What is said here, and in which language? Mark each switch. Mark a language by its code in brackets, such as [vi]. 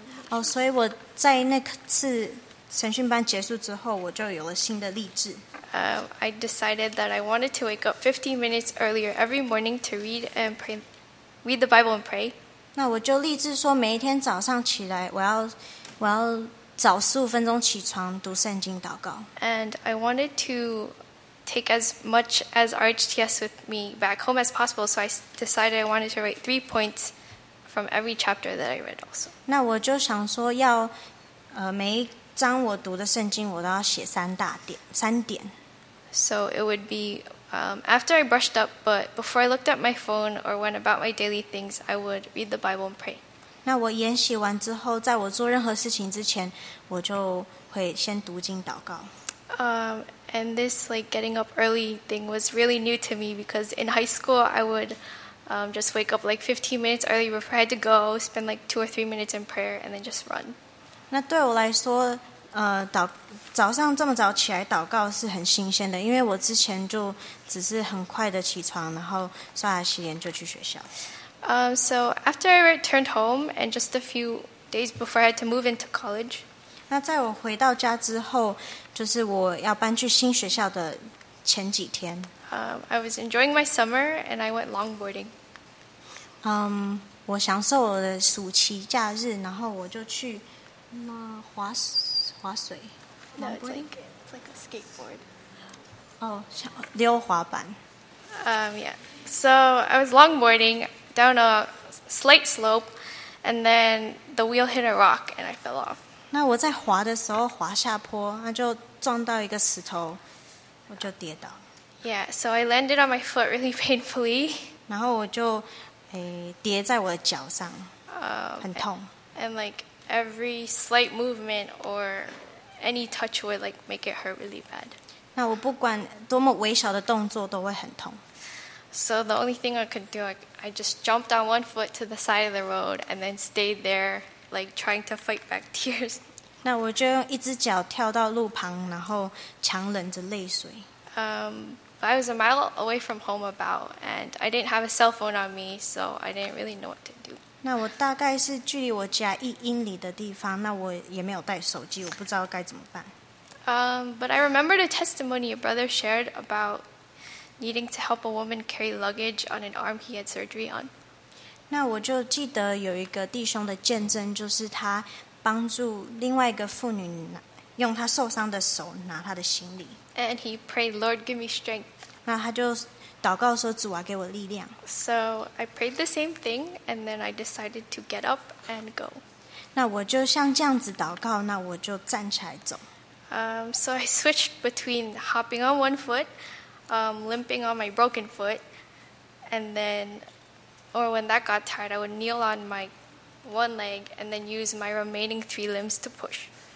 [zh] Oh, 所以我在那次神训班结束之后，我就有了新的立志。 [en] I decided that I wanted to wake up 15 minutes earlier every morning to read and pray, read the Bible and pray. [zh] 那我就立志说，每一天早上起来，我要早十五分钟起床读圣经祷告。 [en] And I wanted to take as much as RHTS with me back home as possible, so I decided I wanted to write 3 points from every chapter that I read also. [zh] 那我就想说要每一章我读的圣经我都要写三点。 [en] So it would be after I brushed up, but before I looked at my phone or went about my daily things, I would read the Bible and pray. [zh] 那我研习完之后，在我做任何事情之前，我就会先读经祷告。 [en] And this like getting up early thing was really new to me because in high school I would just wake up like 15 minutes early before I had to go, spend like 2 or 3 minutes in prayer, and then just run. [zh] 那对我来说，早上这么早起来祷告是很新鲜的，因为我之前就只是很快的起床，然后刷牙洗脸就去学校。 [en] So after I returned home and just a few days before I had to move into college, [zh] 那在我回到家之后，就是我要搬去新学校的前几天。 [en] I was enjoying my summer and I went longboarding. [zh] 我享受我的暑期假日，然后我就去那滑水。 [en] No, it's like a skateboard. [zh] 溜滑板。 [en] So I was longboarding. Down a slight slope, and then the wheel hit a rock, and I fell off. [zh] 那我在滑的时候滑下坡，那就撞到一个石头，我就跌倒。 [en] Yeah, so I landed on my foot really painfully. [zh] 然后我就跌在我的脚上，很痛。 [en] And like every slight movement or any touch would like make it hurt really bad. [zh] 那我不管多么微小的动作都会很痛。 [en] So the only thing I could do, I just jumped on 1 foot to the side of the road and then stayed there, like trying to fight back tears. [zh] 那我就用一只脚跳到路旁，然后强忍着泪水。 [en] But I was a mile away from home about, and I didn't have a cell phone on me, so I didn't really know what to do. [zh] 那我大概是距离我家一英里的地方，那我也没有带手机，我不知道该怎么办。 [en] But I remembered a testimony a brother shared about needing to help a woman carry luggage on an arm he had surgery on. [zh] 那我就记得有一个弟兄的见证，就是他帮助另外一个妇女拿用她受伤的手拿她的行李。 [en] And he prayed, Lord, give me strength. [zh] 那他就祷告说，主啊，给我力量。 [en] So I prayed the same thing, and then I decided to get up and go. [zh] 那我就像这样子祷告，那我就站起来走。 [en] So I switched between hopping on one foot, limping on my broken foot, and then, or when that got tired, I would kneel on my one leg and then use my remaining three limbs to push.